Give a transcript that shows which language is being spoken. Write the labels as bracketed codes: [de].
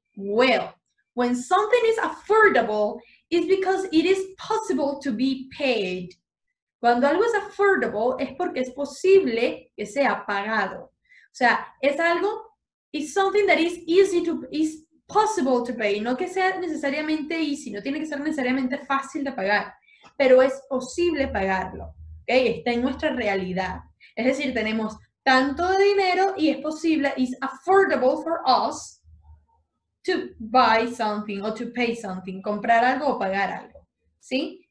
[en] Well, when something is affordable, it's because it is possible to be paid. [es] Cuando algo es affordable, es porque es posible que sea pagado. O sea, es algo, [en] it's something that is easy to, is possible to pay. [es] No que sea necesariamente easy, no tiene que ser necesariamente fácil de pagar, pero es posible pagarlo. ¿Okay? Está en nuestra realidad. Es decir, tenemos tanto de dinero y es posible, [en] is affordable for us to buy something or to pay something, [es] comprar algo o pagar algo, ¿sí?